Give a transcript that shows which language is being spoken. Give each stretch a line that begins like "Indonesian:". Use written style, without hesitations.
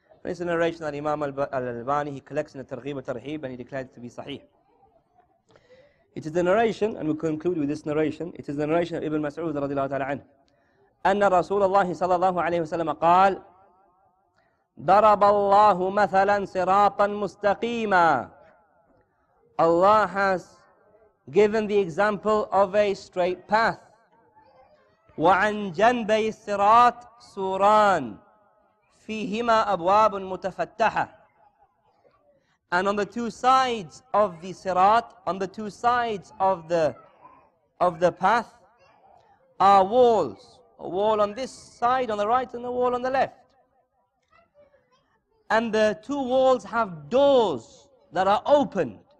English: And it's a narration that Imam Al-Albani, he collects in a Targhib wa Tarhib, and he declared it to be sahih. It is the narration, and we conclude with this narration. It is the narration of Ibn Mas'ud radiallahu ta'ala anhu.
Arabic: أن رسول الله صلى الله عليه وسلم قال ضرب الله مثلا صراطا مستقيما.
English: Allah has given the example of a straight path.
Arabic: وعن جنبي الصراط سوران فيهما أبواب متفتحة.
English: And on the two sides of the sirat, on the two sides of the path are walls. A wall on this side, on the right, and a wall on the left. And the two walls have doors that are opened.